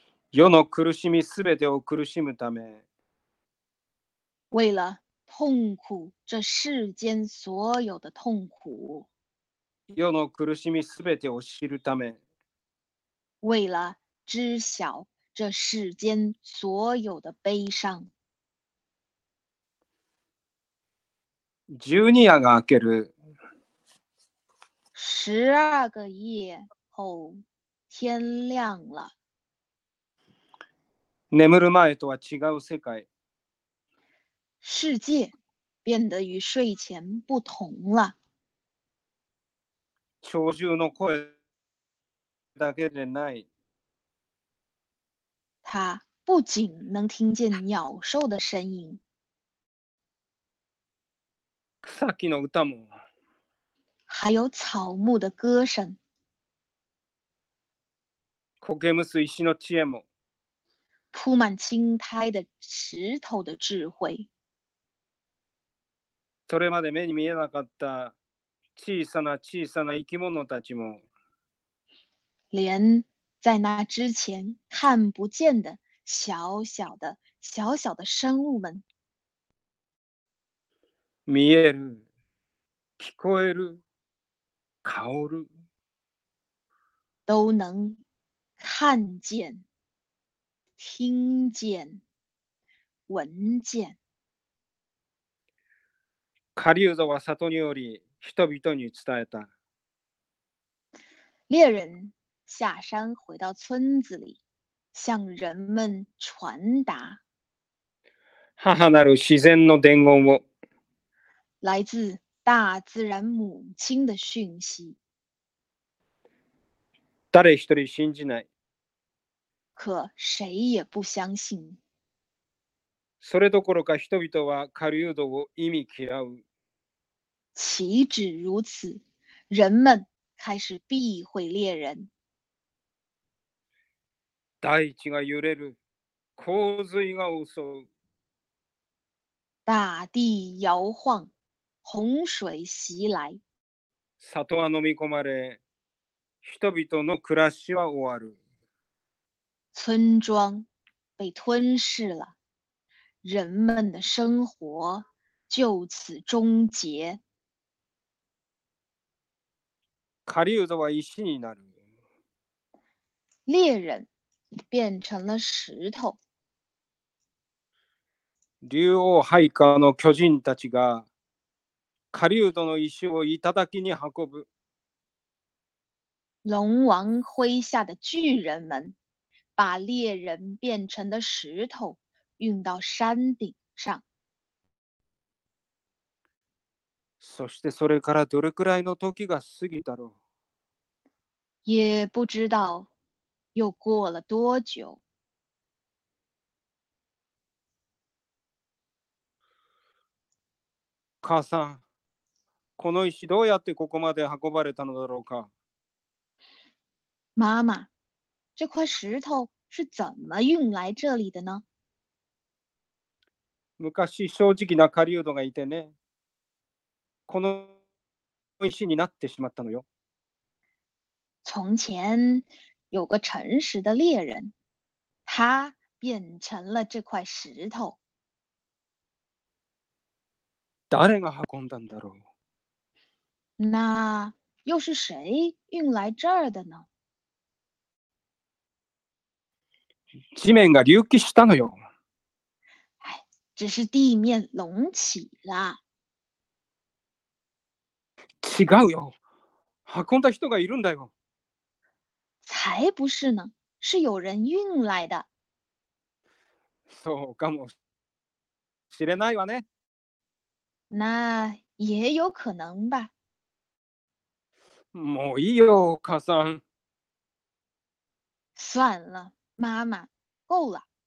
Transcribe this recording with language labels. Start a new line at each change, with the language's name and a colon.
Japanese: 世の苦しみすべてを苦しむため，
Chinese: 为了痛苦这世间所有的痛苦，
Japanese: 世の苦しみすべてを知るため，
Chinese: 为了知晓这世间所有的悲伤。
Japanese: 十二夜が明ける。
Chinese: 十二个夜后天亮了。
Japanese: 眠る前とは違う世界。
Chinese: 世界变得与睡前不同了。
Japanese: 鳥獣の声だけでない。
Chinese: 他不仅能听见鸟兽的声音。
Japanese: 草木の歌も。
Chinese: 还有草木的歌声。
Japanese: 苔むす石の知恵も。
Chinese: 铺满青苔的石头的智慧。
Japanese: それまで目に見えなかった小さな小さな生き物たちも。
Chinese: 连在那之前看不见的小小的小小的生物们。
Japanese: 見える、聞こえる、香る。
Chinese: 都能看见、听见、闻见。
Japanese: カリウゾは里により人々に伝えた。
Chinese: 猎人下山回到村子里，向人们传达。
Japanese: 母なる自然の伝言を。
Chinese: 来自大自然母亲的讯息。
Japanese: 誰一人信じない。
Chinese: 可谁也不相信。
Japanese: それどころか人々はカリウドを忌み嫌う。
Chinese: 岂止如此，人们开始避讳猎人。
Japanese: 大地が揺れる、洪水が襲う。
Chinese: 大地摇晃，洪水袭来。
Japanese: 里は飲み込まれ、人々の暮らしは終わる。
Chinese: 村庄被吞噬了，人们的生活就此终结。
Japanese: 狩人は石になる。
Chinese: 猎人变成了石头。
Japanese: 竜王配下の巨人たちが狩人の石を頂きに運ぶ。
Chinese: 龙王麾下的巨人们把猎人变成的石头运到山顶上。
Japanese: そしてそれからどれくらいの時が過ぎたろう。
Chinese: 也不知道又过了多久。
Japanese: 母さん、この石どうやってここまで運ばれたのだろうか。
Chinese: 妈妈，这块石头是怎么运来这里的呢？
Japanese: 昔正直な狩人がいてね、この石になってしまったのよ。
Chinese: 从前有个诚实的猎人，他变成了这块石头。
Japanese: 誰が運んだんだろう？
Chinese: 那又是谁运来这儿的呢？
Japanese: 地面が隆起したのよ。
Chinese: 哎，只是地面隆起了。
Japanese: 違うよ。運んだ人がいるんだよ。
Chinese: 才不是呢，是有人运来的。
Japanese: そうかもしれないわね。
Chinese: 那也有可能吧。
Japanese: もういいよ、母さん。
Chinese: 算了，妈妈，够了。